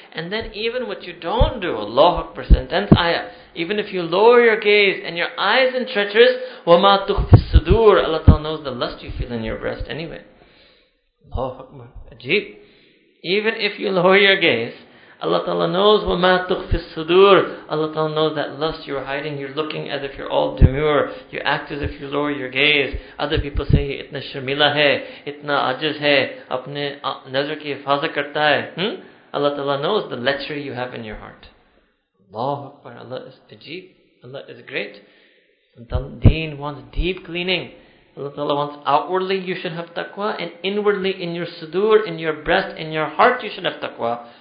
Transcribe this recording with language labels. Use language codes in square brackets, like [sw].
[en] And then even what you don't do, Allah Akbar, sentence ayah, even if you lower your gaze and your eyes are treacherous, [ar] وَمَا تُخْفِ السُّدُورِ [en] Allah Ta'ala knows the lust you feel in your breast anyway. Allah Akbar. Ajeeb. Even if you lower your gaze, Allah Ta'ala knows [ar] وَمَا تُخْفِ السُّدُورِ [en] Allah Ta'ala knows that lust you're hiding, you're looking as if you're all demure, you act as if you lower your gaze. [ur] Other people say, اتنا شرمیلا ہے, اتنا عاجز ہے, اپنے نظر کی حفاظت کرتا ہے. [en] Allah Ta'ala knows the lechery you have in your heart. Allahu Akbar, Allah is ajeeb, Allah is great. Deen wants deep cleaning. Allah Ta'ala wants outwardly you should have taqwa, and inwardly in your sudur, in your breast, in your heart you should have taqwa.